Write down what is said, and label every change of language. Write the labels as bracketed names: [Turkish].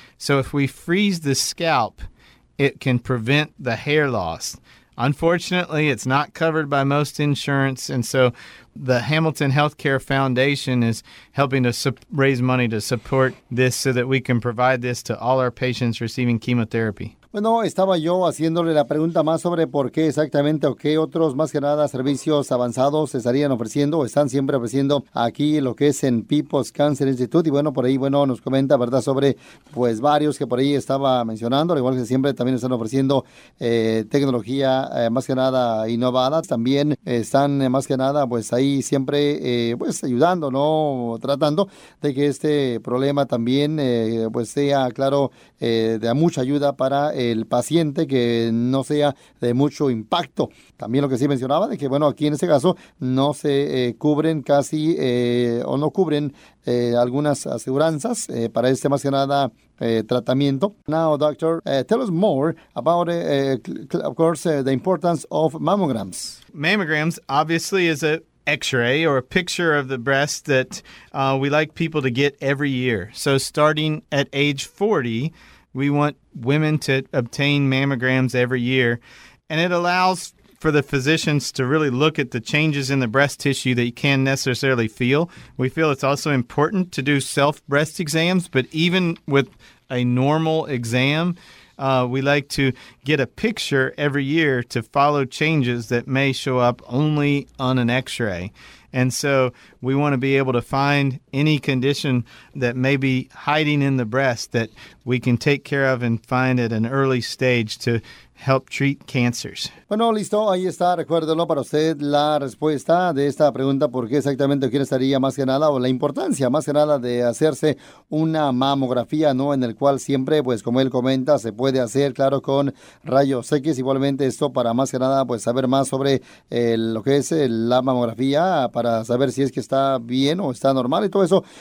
[English] So if we freeze the scalp, it can prevent the hair loss. Unfortunately, it's not covered by most insurance, and so the Hamilton Healthcare Foundation is helping to raise money to support this so that we can provide this to all our patients receiving chemotherapy. [Spanish] Bueno, estaba yo haciéndole la pregunta más sobre por qué exactamente o qué otros más que nada servicios avanzados estarían ofreciendo o están siempre ofreciendo aquí lo que es en PIPOS Cancer Institute. Y bueno, por ahí, bueno, nos comenta, ¿verdad?, sobre pues varios que por ahí estaba mencionando, al igual que siempre también están ofreciendo tecnología más que nada innovada. También están más que nada pues ahí siempre pues ayudando, ¿no?, tratando de que este problema también pues sea, claro, de mucha ayuda para el paciente, que no sea de mucho impacto. También lo que sí mencionaba, de que bueno, aquí en este caso no se cubren casi o no cubren algunas aseguranzas para este más que nada tratamiento. [English] Now, doctor, tell us more about, of course, the importance of mammograms. Mammograms, obviously, is a X-ray or a picture of the breast that we like people to get every year. So starting at age 40, we want women to obtain mammograms every year, and it allows for the physicians to really look at the changes in the breast tissue that you can't necessarily feel. We feel it's also important to do self breast exams, but even with a normal exam, we like to get a picture every year to follow changes that may show up only on an x-ray. And so we want to be able to find any condition that may be hiding in the breast that we can take care of and find at an early stage to help treat cancers. [Spanish] Bueno, listo, ahí está, recuérdelo para usted la respuesta de esta pregunta, por qué exactamente, quién estaría más que nada, o la importancia más que nada de hacerse una mamografía, ¿no? En el cual siempre, pues como él comenta, se puede hacer, claro, con rayos X, igualmente esto para más que nada, pues saber más sobre lo que es la mamografía, para saber si es que está bien o está normal y todo eso.